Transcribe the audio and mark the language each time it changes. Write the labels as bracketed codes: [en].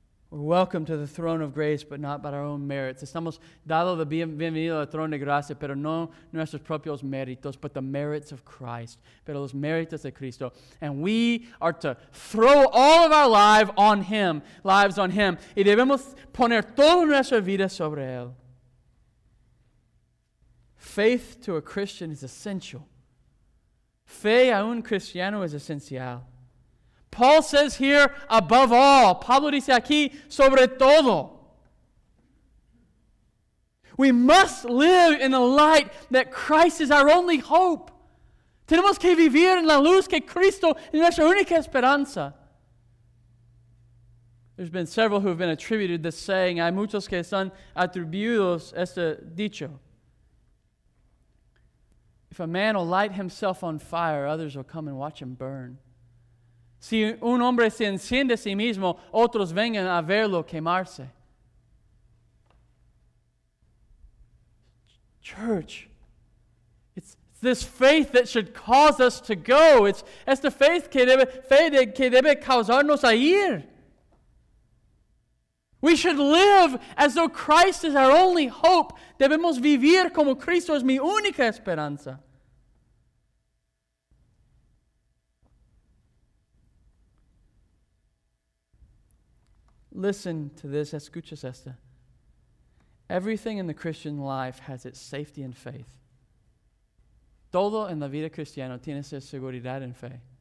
[en] We're welcome to the throne of grace, but not by our own merits. [es] Estamos dado la bienvenida al trono de gracia, pero no nuestros propios méritos, [en] but the merits of Christ. [es] Pero los méritos de Cristo. [en] And we are to throw all of our lives on Him. [es] Y debemos poner toda nuestra vida sobre Él. [en] Faith to a Christian is essential. [es] Fe a un cristiano [en] is esencial. Paul says here, above all. [es] Pablo dice aquí, sobre todo. [en] We must live in the light that Christ is our only hope. [es] Tenemos que vivir en la luz que Cristo es nuestra única esperanza. [en] There's been several who have been attributed this saying. [es] Hay muchos que son atribuidos este dicho. [en] If a man will light himself on fire, others will come and watch him burn. [es] Si un hombre se enciende a sí mismo, otros vengan a verlo quemarse. [en] Church, it's this faith that should cause us to go. [es] It's esta fe que debe causarnos a ir. [en] We should live as though Christ is our only hope. [es] Debemos vivir como Cristo es mi única esperanza. [en] Listen to this, [es] escuchas esta. [en] Everything in the Christian life has its safety in faith. [es] Todo en la vida cristiana tiene su seguridad en fe.